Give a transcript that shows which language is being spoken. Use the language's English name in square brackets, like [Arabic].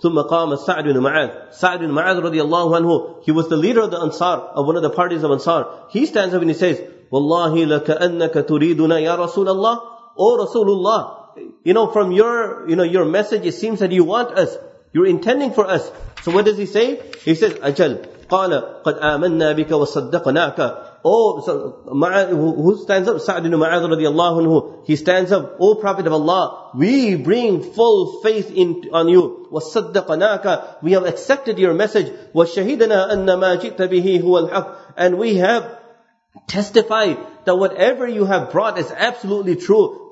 [Arabic] ثُمَّ قَامَ السَّعْدُ بْنُ مَعَاذ. سَعْدُ بْنُ مَعَاذ رضي الله عنه. [English] He was the leader of the Ansar, of one of the parties of Ansar. He stands up and he says, [Arabic] وَاللَّهِ لَكَأَنَّكَ تُرِيدُنَا يَا رَسُولَ اللَّهِ. [English] Oh Rasulullah, you know, from your message, it seems that you want us. You're intending for us. So what does he say? He says, [Arabic] أَجَلْ قَالَ قَدْ آمَنَّا بِكَ وَصَدَّقْنَاكَ. [English] Oh, so, who stands up? Sa'd ibn Mu'adh radiallahu anhu. He stands up. Oh, Prophet of Allah, we bring full faith on you. [Arabic] وَصَدَّقْنَاكَ. [English] We have accepted your message. [Arabic] وَشَهِدَنَا أَنَّ مَا جِئْتَ بِهِ هُوَ الْحَقِّ. [English] And we have testified that whatever you have brought is absolutely true.